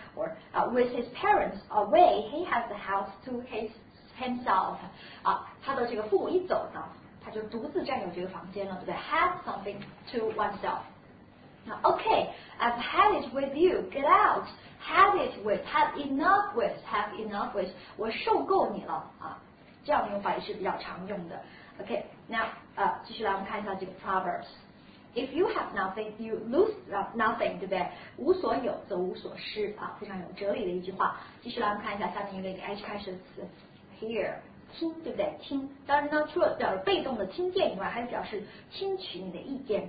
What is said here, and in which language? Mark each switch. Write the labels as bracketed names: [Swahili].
[English] Or, with his parents away, he has the house to himself. [Chinese] 啊，他的这个父母一走呢，他就独自占有这个房间了，对不对？ [English] Have something to oneself. Now, okay, I've had it with you. Get out. Have enough with. [Chinese] 我受够你了啊，这样的用法也是比较常用的。 Okay, now, 继续来我们看一下这个 Proverbs. [English] If you have nothing, you lose nothing, [Chinese] 对不对？无所有则无所失啊，非常有哲理的一句话。继续来我们看一下下面一个 H 开始的词 ，hear， 听，对不对？听，当然呢，除了表示被动的听见以外，还表示听取你的意见。